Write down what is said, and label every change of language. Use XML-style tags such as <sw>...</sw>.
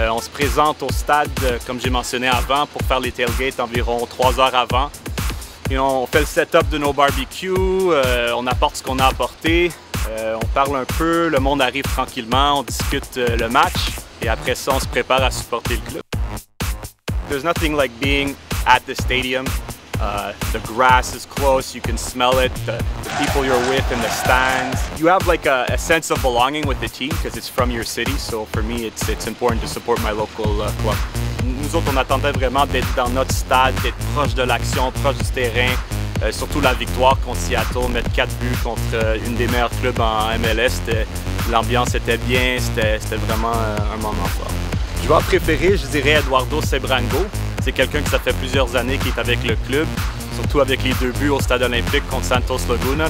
<fr>On se présente au stade, comme j'ai mentionné avant, pour faire les tailgates environ 3 heures avant. Et on fait le setup de nos barbecues, on apporte ce qu'on a apporté, on parle un peu, le monde arrive tranquillement, on discute le match et après ça, on se prépare à supporter le club.</fr> <en>There's nothing like being at the stadium. The grass is close, you can smell it, the people you're with in the stands. You have like a sense of belonging with the team because it's from your city, so for me it's important to support my local club.</en> <fr>Nous autres, on attendait vraiment d'être dans notre stade, d'être proche de l'action, proche du terrain, surtout la victoire contre Seattle, mettre 4 buts contre une des meilleures clubs en MLS. L'ambiance était bien, c'était vraiment un moment fort. Joueur préféré, je dirais Eduardo Cebrango. C'est quelqu'un que ça fait plusieurs années qu'il est avec le club, surtout avec les 2 buts au Stade Olympique contre Santos Laguna.</fr>